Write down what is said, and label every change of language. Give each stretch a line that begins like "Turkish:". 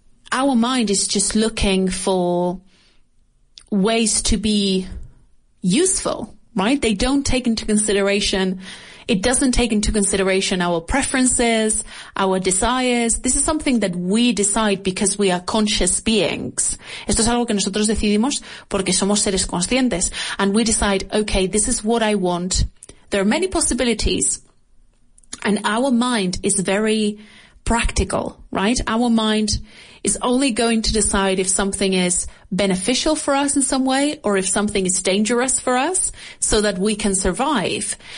English: Our mind is just looking for ways to be useful, right? They don't take into consideration, it doesn't take into consideration our preferences, our desires. This is something that we decide because we are conscious beings.
Spanish: Esto es algo que nosotros decidimos porque somos seres conscientes.
English: And we decide, okay, this is what I want. There are many possibilities. And our mind is very practical, right? Our mind is only going to decide if something is beneficial for us in some way or if something is dangerous for us so that we can survive.